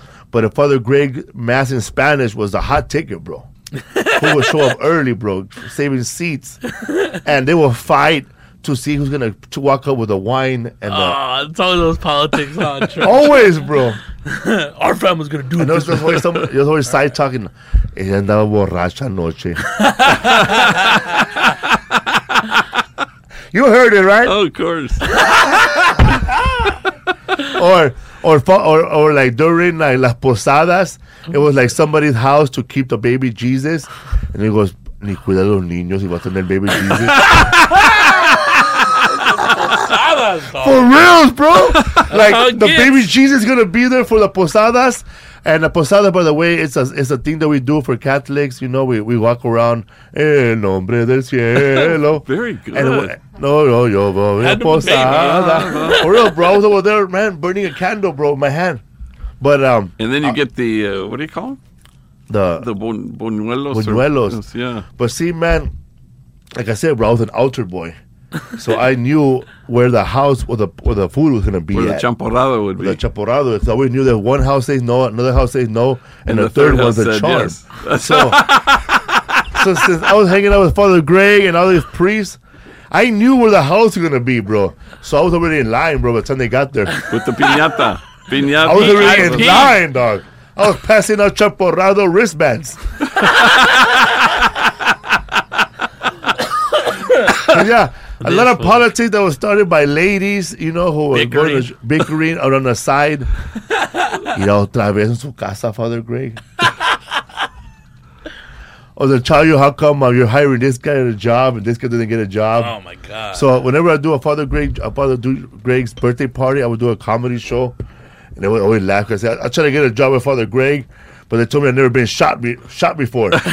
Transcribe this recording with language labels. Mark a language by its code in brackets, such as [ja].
[en] But if Father Greg mass in Spanish was the hot ticket, bro. Who would show up early, bro, saving seats. And they would fight to see who's going to walk up with the wine. It's all those politics on. Always, bro. Our family's going to do this. There's always side talking. [es] Ella andaba borracha anoche. [en] You heard it, right? Oh, of course. or like during like las posadas, it was like somebody's house to keep the baby Jesus, and he goes, [es] ni cuida los niños y va a tener baby Jesus. [en] For reals, bro. Like the baby Jesus is gonna be there for the posadas. And the posada, by the way, it's a thing that we do for Catholics. You know, we walk around [es] en nombre del cielo. [en] Very good. And posada. For real, bro. I was over there, man, burning a candle, bro, in my hand. But and then you get the what do you call them? The buñuelos. Buñuelos. Yeah. But see, man, like I said, bro, I was an altar boy. So I knew where the house where the food was gonna be. Where the champorrado would be. The champorrado. So we knew that one house says no, another house says no, and the third was a charm. Yes. So since I was hanging out with Father Greg and all these priests, I knew where the house was gonna be, bro. So I was already in line, bro, by the time they got there. With the piñata. Piñata. I was already in line, dog. I was passing out champorrado wristbands. Yeah. A lot of politics that was started by ladies, you know, who were going to bickering or on the side. [es] Ir otra vez en su casa, Father Greg. [en] Or they tell you, how come you're hiring this guy at a job and this guy didn't get a job? Oh, my God. So whenever I do a Father Greg's birthday party, I would do a comedy show. And they would always laugh. Cause I try to get a job with Father Greg, but they told me I'd never been shot before.